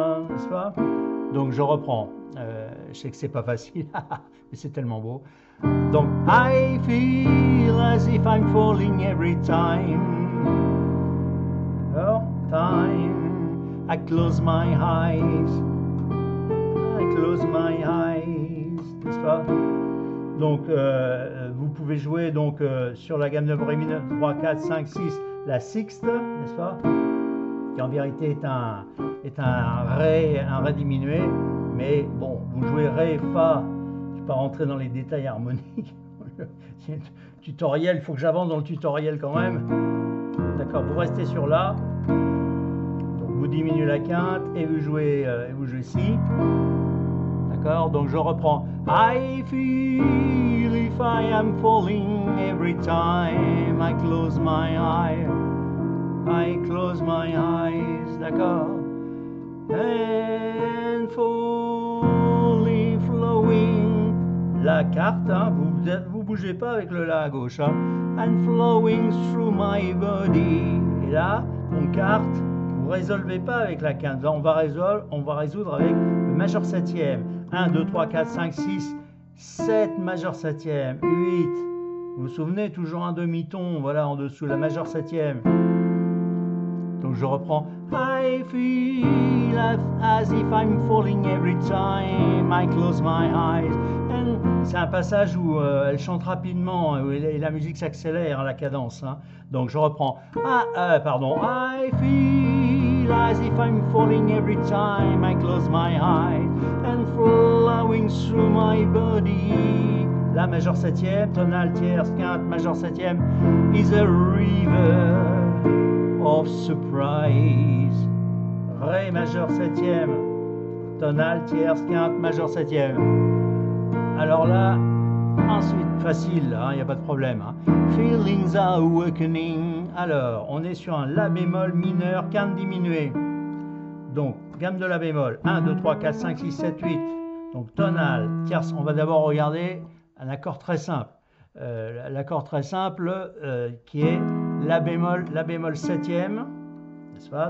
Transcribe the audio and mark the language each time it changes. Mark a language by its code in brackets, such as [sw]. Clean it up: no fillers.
[fr] N'est-ce pas? Donc je reprends. Je sais que c'est pas facile, mais c'est tellement beau. Donc, [en] I feel as if I'm falling every time. Oh, time. I close my eyes. I close my eyes. [fr] N'est-ce pas? Donc, vous pouvez jouer donc, sur la gamme de ré mineur 3, 4, 5, 6, la sixte, n'est-ce pas? Qui en vérité est un ré diminué. Mais bon, vous jouez ré, fa. Pas rentrer dans les détails harmoniques. C'est un tutoriel, il faut que j'avance dans le tutoriel quand même. D'accord, vous restez sur là. Donc vous diminuez la quinte et vous jouez si. D'accord, donc je reprends. [en] I feel if I am falling every time I close my eyes. I close my eyes. [fr] D'accord. [en] and fully flowing. [fr] La carte, hein, vous bougez pas avec le la à gauche. Hein. [en] And flowing through my body. [fr] Et là, on carte, vous résolvez pas avec la quinte. Là, on va résoudre avec le majeur septième. 1, 2, 3, 4, 5, 6, 7, majeur septième. 8, vous vous souvenez, toujours un demi-ton, voilà, en dessous, la majeur septième. Donc je reprends. [en] I feel as if I'm falling every time I close my eyes. [fr] C'est un passage où elle chante rapidement et la musique s'accélère, la cadence. Hein. Donc je reprends. [en] I feel as if I'm falling every time I close my eyes and flowing through my body. [fr] La majeure septième, tonal, tierce, quinte, majeure septième [en] is a river of surprise. [fr] Ré majeur septième, tonal, tierce, quinte, majeur septième. Alors là, ensuite, facile, hein, il n'y a pas de problème. Hein. [en] Feelings are awakening. [fr] Alors, on est sur un La bémol mineur, quinte diminuée. Donc, gamme de La bémol. 1, 2, 3, 4, 5, 6, 7, 8. Donc, tonal, tierce. On va d'abord regarder un accord très simple. L'accord très simple qui est La bémol septième, n'est-ce pas ?